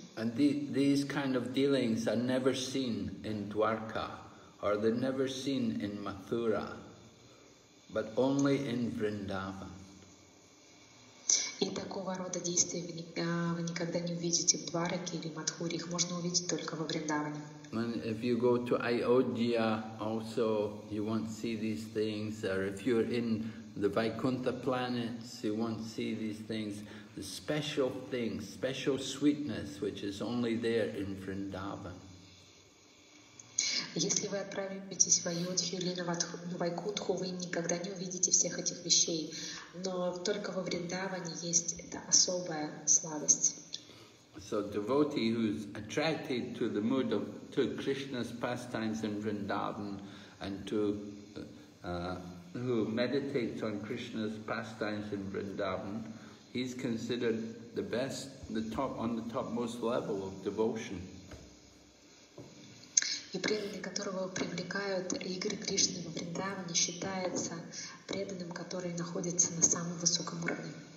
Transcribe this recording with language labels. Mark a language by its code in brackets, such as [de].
[en] And these kind of dealings are never seen in Dwarka, or they're never seen in Mathura, but only in Vrindavan. [ru] И такого рода действия вы никогда не увидите в Двараке или Мадхуре, их можно увидеть только во Вриндаване. [en] And if you go to Ayodhya also, you won't see these things, or if you're in the Vaikuntha planets, you won't see these things. The special things, special sweetness, which is only there in Vrindavan. [ru] Если вы отправитесь в Айодхью или на Вайкунтху, вы никогда не увидите всех этих вещей, но только во Вриндаване есть эта особая сладость. [en] So devotee who is attracted to the mood of to Krishna's pastimes in Vrindavan and to who meditates on Krishna's pastimes in Vrindavan, he's considered the best, the top, on the topmost level of devotion. [ru] И преданный, которого привлекают игры Кришны во Вриндаване, считается преданным, который находится на самом высоком уровне.